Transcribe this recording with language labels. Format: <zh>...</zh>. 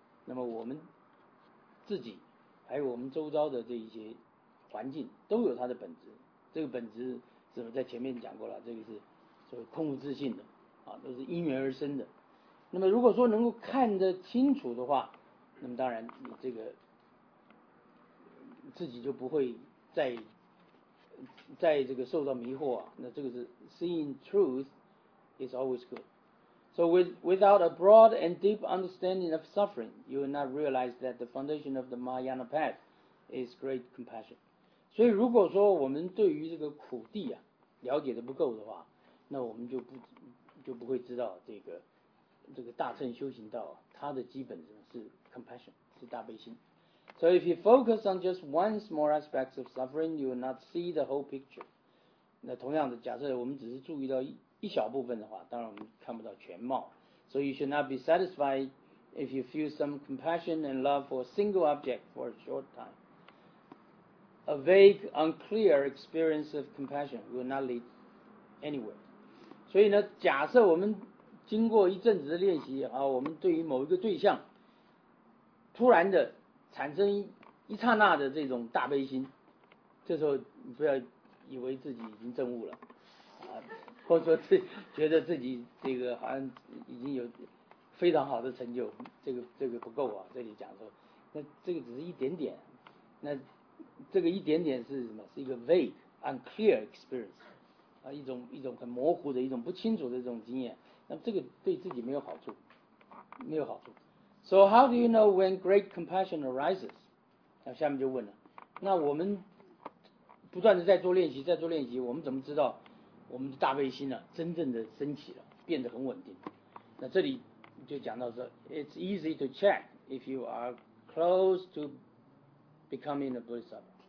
<zh>那么我们自己还有我们周遭的这一些环境都有它的本质，这个本质是在前面讲过了，这个是所谓空无自性的啊，都是因缘而生的。那么如果说能够看得清楚的话，那么当然你这个自己就不会在这个受到迷惑啊。</zh> <en>那这个是 seeing truth is always good。 So without a broad and deep understanding of suffering, you will not realize that the foundation of the Mahayana path is great compassion.</en> <zh>所以如果说我们对于这个苦地啊了解的不够的话，那我们就不会知道这个大乘修行道它的基本是 compassion， 是大悲心。</zh> <en>So if you focus on just one small aspect of suffering, you will not see the whole picture.</en> <zh>那同样的，假设我们只是注意到一小部分的话，当然我们看不到全貌。</zh> <en>So you should not be satisfied if you feel some compassion and love for a single object for a short time. A vague, unclear experience of compassion will not lead anywhere.</en> <zh>所以呢，假设我们经过一阵子的练习啊，我们对于某一个对象突然的产生一刹那的这种大悲心，这时候你不要以为自己已经证悟了啊，或者说自觉得自己这个好像已经有非常好的成就，这个不够啊。这里讲说，那这个只是一点点，那这个一点点是什么？是一个 vague unclear experience 啊，一种很模糊的一种不清楚的这种经验。那这个对自己没有好处，没有好处。 So how do you know when great compassion arises? 那下面就问了，那我们不断的在做练习，我们怎么知道我们的大悲心呢、啊、真正的升起了，变得很稳定？</zh> <en>那这里就讲到说，It's easy to check if you are close to becoming a bodhisattva.</en>